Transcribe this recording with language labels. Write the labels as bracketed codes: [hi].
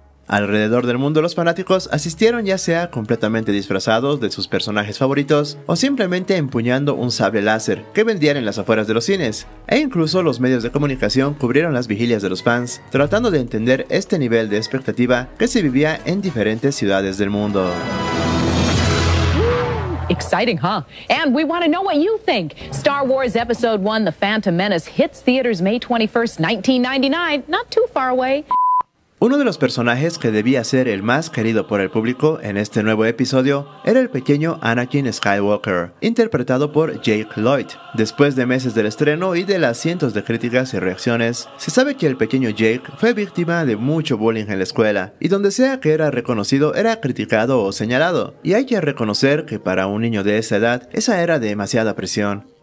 [es] Alrededor del mundo, los fanáticos asistieron ya sea completamente disfrazados de sus personajes favoritos o simplemente empuñando un sable láser que vendían en las afueras de los cines, e incluso los medios de comunicación cubrieron las vigilias de los fans, tratando de entender este nivel de expectativa que se vivía en diferentes ciudades del mundo. [en] Exciting, huh? And we want to know what you think. Star Wars Episode 1, The Phantom Menace hits theaters May 21st, 1999, not too far away. [es] Uno de los personajes que debía ser el más querido por el público en este nuevo episodio era el pequeño Anakin Skywalker, interpretado por Jake Lloyd. Después de meses del estreno y de las cientos de críticas y reacciones, se sabe que el pequeño Jake fue víctima de mucho bullying en la escuela, y donde sea que era reconocido era criticado o señalado, y hay que reconocer que para un niño de esa edad esa era demasiada presión.